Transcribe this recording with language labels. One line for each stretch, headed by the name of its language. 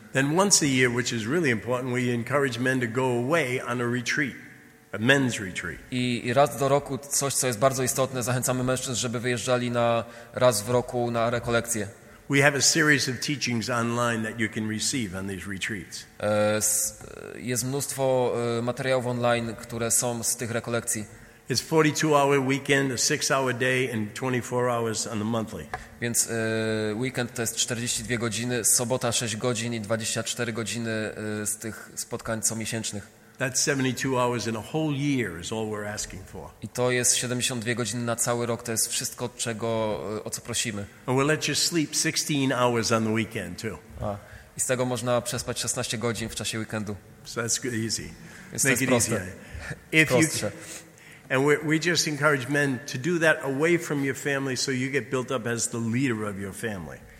English: Then once a year, which is really important, we encourage men to go away on a retreat, a men's retreat.
Polish: I raz do roku coś, co jest bardzo istotne, zachęcamy mężczyzn, żeby wyjeżdżali na raz w roku na rekolekcje.
English: We have a series of teachings online that you can receive on these retreats.
Polish: Jest mnóstwo materiałów online, które są z tych rekolekcji.
English: It's 42-hour weekend, a 6-hour day, and 24 hours on the monthly.
Polish: Więc weekend to jest 42 godziny, sobota 6 godzin i 24 godziny z tych spotkań comiesięcznych.
English: That's 72 hours in a whole year is all we're asking for.
Polish: I to jest 72 godziny na cały rok, to jest wszystko, o co prosimy.
English: And we'll let you sleep 16 hours on the weekend too.
Polish: I z tego można przespać 16 godzin w czasie weekendu.
English: So that's good, easy. Make it easier. If you And we just encourage men to do that away from your family so you get built up as the leader of your family.